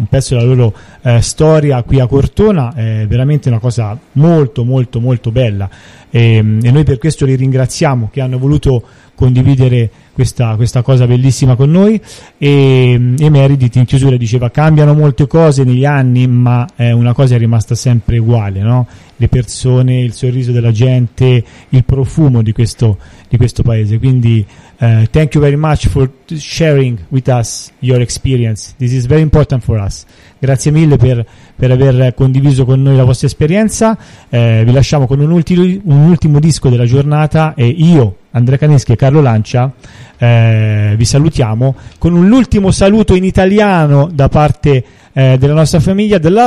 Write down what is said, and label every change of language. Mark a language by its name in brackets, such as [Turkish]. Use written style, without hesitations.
[Italian] Un pezzo della loro storia qui a Cortona. È veramente una cosa molto molto molto bella e noi per questo li ringraziamo, che hanno voluto condividere questa cosa bellissima con noi. E Meredith in chiusura diceva: cambiano molte cose negli anni, ma una cosa è rimasta sempre uguale, no? Le persone, il sorriso della gente, il profumo di questo paese. Quindi [English] thank you very much for sharing with us your experience. This is very important for us. [Italian] Grazie mille per aver condiviso con noi la vostra esperienza. Vi lasciamo con un ultimo disco della giornata e io, Andrea Caneschi e Carlo Lancia, vi salutiamo con un ultimo saluto in italiano da parte della nostra famiglia.